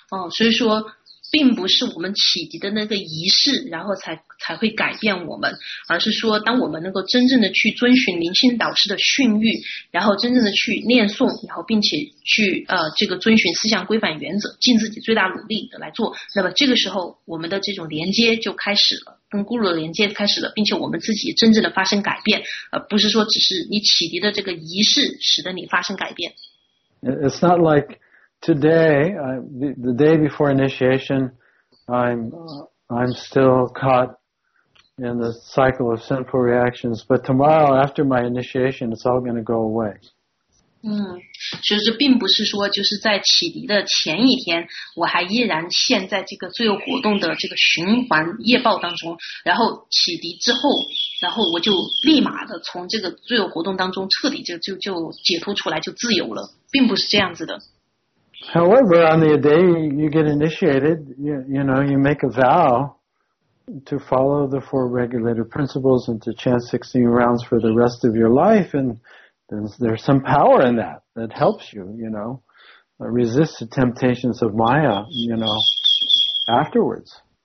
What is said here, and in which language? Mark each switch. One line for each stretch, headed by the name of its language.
Chinese: 所以说并不是我们启迪的那个仪式然后才会改变我们，而是说当我们能够真正的去遵循灵性导师的训谕，然后真正的去念诵，然后并且去这个遵循思想规范原则，尽自己最大努力的来做，那么这个时候我们的这种连接就开始了，跟咕噜的连接开始了，并且我们自己真正的发生改变，而不是说只是你启迪的这个仪式使得你发生改变。
English: It's not likeToday, the day before initiation, I'm still caught in the cycle of sinful reactions. But tomorrow, after my initiation, it's all going to go away.
Chinese: 所以这并不是说就是在启迪的前一天，我还依然陷在这个罪恶活动的这个循环业报当中，然后启迪之后，然后我就立马的从这个罪恶活动当中彻底就解脱出来，就自由了，并不是这样子的。
English: However, on the day you get initiated, you know, you make a vow to follow the four regulative principles and to chant 16 rounds for the rest of your life, and there's some power in that that helps you, you know, resist the temptations of Maya, you know, afterwards.